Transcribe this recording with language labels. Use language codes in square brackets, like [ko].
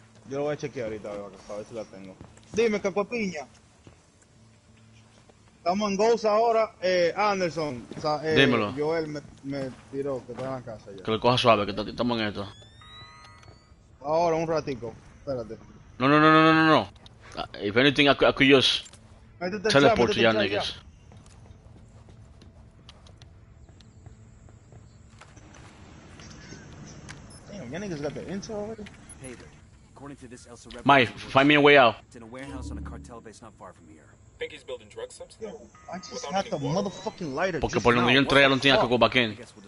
[es] Yo lo voy a chequear ahorita, a ver si la tengo. Dime, Cacuapiña. Estamos en Ghost ahora, Anderson. O sea, dímelo. Joel me tiró, que está en la casa ya. Que lo coja suave, que estamos en esto. Ahora, un ratico, espérate. No, no, no, no, no, no, no. [en] If anything, I could just teleport to y'all niggas. Damn, y'all niggas got the intel already? Hey there. According to this, Elsa Rebel... Mike, find me a way out. It's in a warehouse on a cartel base not far from here. Think he's building drugs up there? I just had the motherfucking lighter. [es] Porque por donde yo entré, ya no tenía que [en] go back in.